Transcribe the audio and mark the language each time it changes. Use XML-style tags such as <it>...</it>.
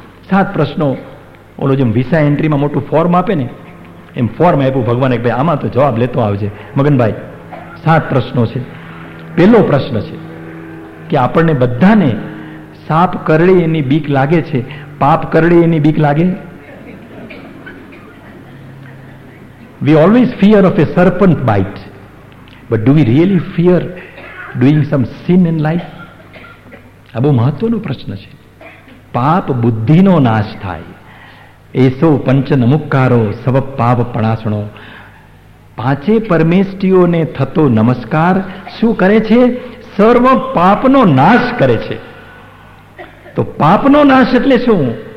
<gu>7 પ્રશ્નો, ઓલો જેમ વિસા એન્ટ્રીમાં મોટું ફોર્મ આપે ને એમ ફોર્મ આપ્યું ભગવાને, ભાઈ આમાં તો જવાબ લેતો આવજે. મગનભાઈ, 7 પ્રશ્નો છે. પહેલો પ્રશ્ન છે કે આપણને બધાને સાપ કરડે એની બીક લાગે છે, પાપ કરડે એની બીક લાગે.</gu> <en>We always fear of a serpent bite, but do we really fear doing some sin in life?</en> <gu>આ બહુ મહત્વનો પ્રશ્ન છે. પાપ બુદ્ધિનો નાશ થાય,</gu> <pra>એસો પંચ નમુક્કારો સવ પાપ પણાસણો.</pra> <gu>પાંચે પરમેષ્ટિઓને થતો નમસ્કાર શું કરે છે? સર્વ પાપનો નાશ કરે છે. તો પાપનો નાશ એટલે શું?</gu>